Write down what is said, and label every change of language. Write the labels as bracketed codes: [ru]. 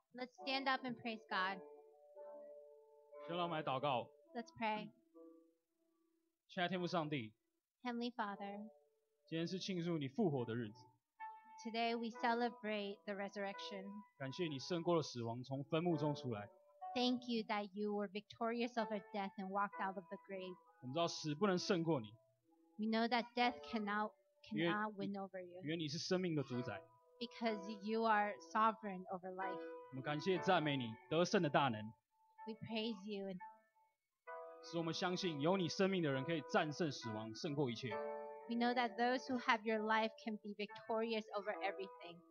[en] ？Let's stand up and praise God. [zh] 先让我们来祷告。 [en] Let's pray. [zh] 亲爱的天父上帝。 [en] Heavenly Father. [zh] 今天是庆祝你复活的日子。 [en] Today we celebrate the resurrection. [zh] 感谢你胜过了死亡，从坟墓中出来。 [en] Thank you that you were victorious over death and walked out of the grave. [zh] 我们知道死不能胜过你。 [en] We know that death cannot win over you. [zh] 因为你是生命的主宰。 [en] Because you are sovereign over life. [zh] 我们感谢赞美你得胜的大能。 [en] We praise you. [zh] 使我们相信有你生命的人可以战胜死亡，胜过一切。 [en] We know that those who have your life can be victorious over everything.